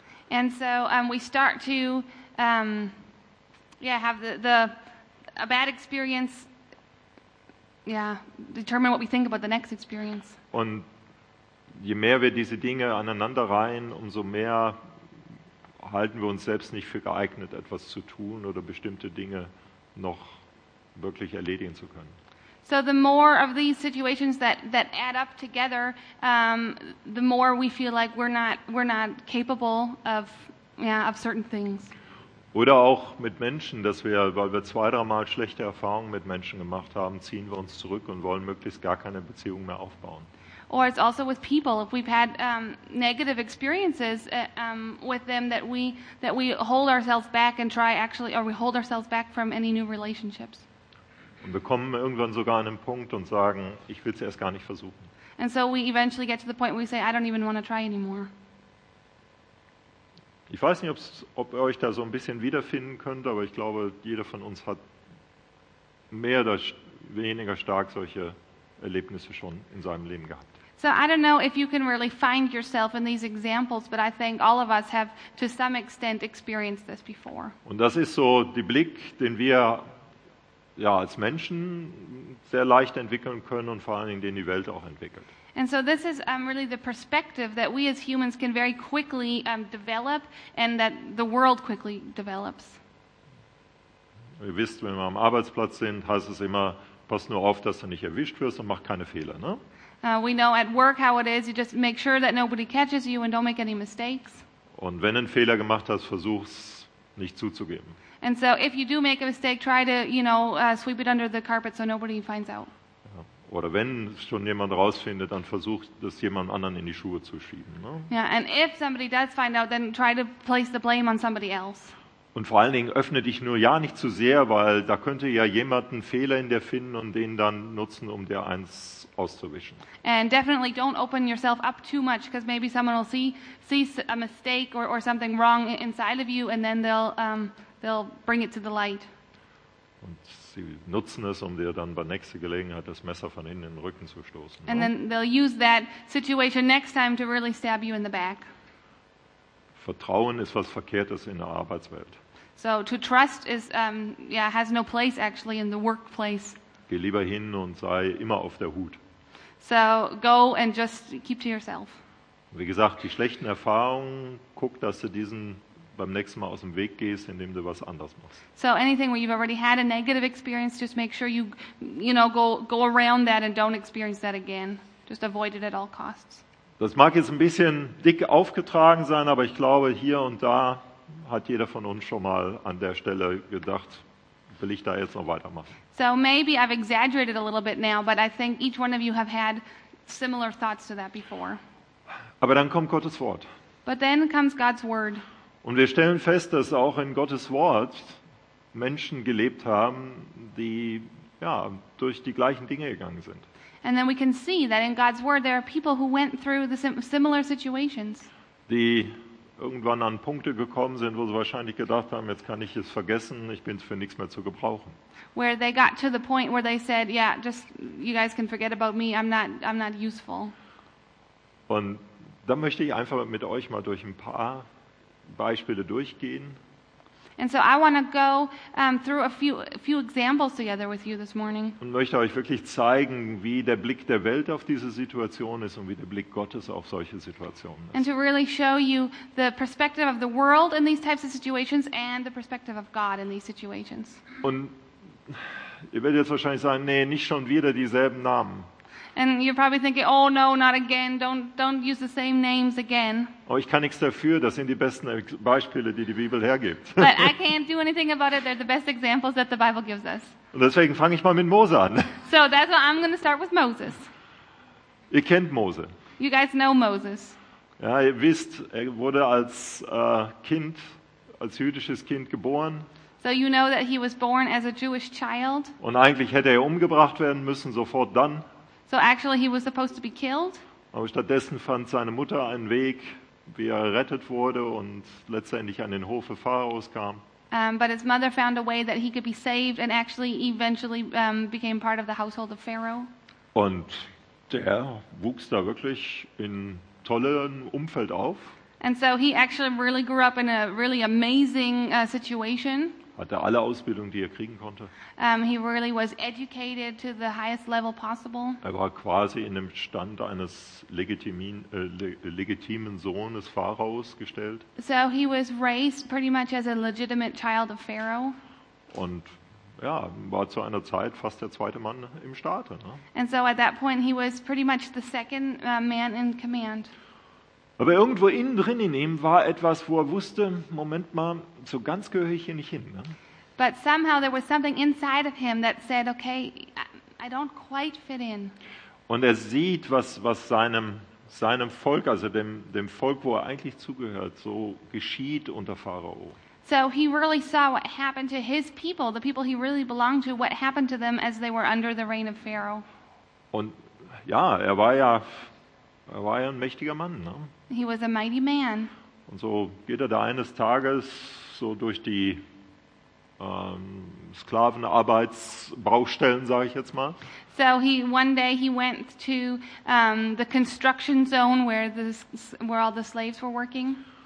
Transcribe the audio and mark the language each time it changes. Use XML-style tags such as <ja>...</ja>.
<en>And so we start to have a bad experience. Yeah, determine what we think about the next experience.</en> <de>Und je mehr wir diese Dinge aneinander reihen, umso mehr halten wir uns selbst nicht für geeignet, etwas zu tun oder bestimmte Dinge noch wirklich erledigen zu können.</de> <en>So the more of these situations that add up together, the more we feel like we're not capable of certain things.</en> <de>Oder auch mit Menschen, dass wir, weil wir zwei, dreimal schlechte Erfahrungen mit Menschen gemacht haben, ziehen wir uns zurück und wollen möglichst gar keine Beziehung mehr aufbauen.</de> <en>Or it's also with people. If we've had negative experiences with them, that we hold ourselves back and try actually, or we hold ourselves back from any new relationships.</en> <de>Und wir kommen irgendwann sogar an den Punkt und sagen, ich will es erst gar nicht versuchen.</de> <en>And so we eventually get to the point where we say, I don't even want to try anymore.</en> <de>Ich weiß nicht, ob ihr euch da so ein bisschen wiederfinden könnt, aber ich glaube, jeder von uns hat mehr oder weniger stark solche Erlebnisse schon in seinem Leben gehabt.</de> <en>So I don't know if you can really find yourself in these examples, but I think all of us have to some extent experienced this before.</en> <de>Und das ist so der Blick, den wir ja als Menschen sehr leicht entwickeln können und vor allen Dingen, den die Welt auch entwickelt.</de> <en>And so this is really the perspective that we as humans can very quickly develop and that the world quickly develops.</en> <de>Ihr wisst, wenn wir am Arbeitsplatz sind, heißt es immer, pass nur auf, dass du nicht erwischt wirst und mach keine Fehler, ne?</de> <en>We know at work how it is, you just make sure that nobody catches you and don't make any mistakes.</en> <de>Und wenn du einen Fehler gemacht hast, versuch es nicht zuzugeben.</de> <en>And so if you do make a mistake, try to, sweep it under the carpet so nobody finds out.</en> <de>Oder wenn schon jemand rausfindet, dann versucht das jemand anderen in die Schuhe zu schieben. Ne?</de> <en>Yeah, and if somebody does find out, then try to place the blame on somebody else.</en> <de>Und vor allen Dingen öffne dich nur ja nicht zu sehr, weil da könnte ja jemand einen Fehler in dir finden und den dann nutzen, um dir eins auszuwischen.</de> <en>And definitely don't open yourself up too much, because maybe someone will see a mistake or something wrong inside of you, and then they'll bring it to the light.</en> <de>Und sie nutzen es, um dir dann bei nächster Gelegenheit das Messer von innen in den Rücken zu stoßen.</de> <en>And then they'll use that situation next time to really stab you in the back.</en> <de>Vertrauen ist was Verkehrtes in der Arbeitswelt.</de> <en>So to trust is has no place actually in the workplace.</en> <de>Geh lieber hin und sei immer auf der Hut.</de> <en>So go and just keep to yourself.</en> <de>Wie gesagt, die schlechten Erfahrungen, guck, dass du diesen beim nächsten Mal aus dem Weg gehst, indem du was anderes machst.</de> <en>So anything where you've already had a negative experience, just make sure you go around that and don't experience that again. Just avoid it at all costs.</en> <de>Das mag jetzt ein bisschen dick aufgetragen sein, aber ich glaube, hier und da hat jeder von uns schon mal an der Stelle gedacht, will ich da jetzt noch weitermachen.</de> <en>So maybe I've exaggerated a little bit now, but I think each one of you have had similar thoughts to that before.</en> <de>Aber dann kommt Gottes Wort.</de> <en>But then comes God's word.</en> <de>Und wir stellen fest, dass auch in Gottes Wort Menschen gelebt haben, die durch die gleichen Dinge gegangen sind.</de> <en>And then we can see that in God's word there are people who went through the similar situations.</en> <de>Die irgendwann an Punkte gekommen sind, wo sie wahrscheinlich gedacht haben, jetzt kann ich es vergessen, ich bin für nichts mehr zu gebrauchen.</de> <en>Where they got to the point where they said, just you guys can forget about me, I'm not useful.</en> <de>Und da möchte ich einfach mit euch mal durch ein paar Beispiele durchgehen.</de> <en>And so I want to go through a few examples together with you this morning.</en> <de>Und möchte euch wirklich zeigen, wie der Blick der Welt auf diese Situation ist und wie der Blick Gottes auf solche Situationen ist.</de> <en>And to really show you the perspective of the world in these types of situations and the perspective of God in these situations.</en> <de>Und ihr werdet jetzt wahrscheinlich sagen, nee, nicht schon wieder dieselben Namen.</de> <en>And you're probably thinking, oh no, not again, don't use the same names again.</en> <de>Oh, ich kann nichts dafür, das sind die besten Beispiele, die die Bibel hergibt.</de> <en>But I can't do anything about it, they're the best examples that the Bible gives us.</en> <de>Und deswegen fange ich mal mit Mose an.</de> <en>So that's why I'm going to start with Moses.</en> <de>Ihr kennt Mose.</de> <en>You guys know Moses.</en> <de>Ja, ihr wisst, er wurde als Kind, als jüdisches Kind geboren.</de> <en>So you know that he was born as a Jewish child.</en> <de>Und eigentlich hätte er umgebracht werden müssen, sofort dann.</de> <en>So actually he was supposed to be killed.</en> <de>Aber stattdessen fand seine Mutter einen Weg, wie er gerettet wurde und letztendlich an den Hof Pharaos kam.</de> <en>But his mother found a way that he could be saved and actually eventually became part of the household of Pharaoh.</en> <de>Und der wuchs da wirklich in tollem Umfeld auf.</de> <en>And so he actually really grew up in a really amazing situation.</en> <de>Hatte alle Ausbildung, die er kriegen konnte.</de> <en>He really was educated to the highest level possible.</en> <de>Er war quasi in dem Stand eines legitimen Sohnes Pharaos gestellt.</de> <en>So he was raised pretty much as a legitimate child of Pharaoh.</en> <de>Und war zu einer Zeit fast der zweite Mann im Staate, ne?</de> <en>And so at that point he was pretty much the second man in command.</en> <de>Aber irgendwo innen drin in ihm war etwas, wo er wusste, Moment mal, so ganz gehöre ich hier nicht hin. Ne?</de> <en>But somehow there was something inside of him that said, okay, I don't quite fit in.</en> <de>Und er sieht, was seinem Volk, also dem Volk, wo er eigentlich zugehört, so geschieht unter Pharao.</de> <en>So he really saw what happened to his people, the people he really belonged to, what happened to them as they were under the reign of Pharaoh.</en> <de>Und er war ja ein mächtiger Mann, ne?</de> <en>He was a mighty man.</en> <de>Und so geht er da eines Tages so durch die Sklavenarbeitsbaustellen, sage ich jetzt mal.</de> <en>So one day he went to the construction zone where all the slaves were working.</en>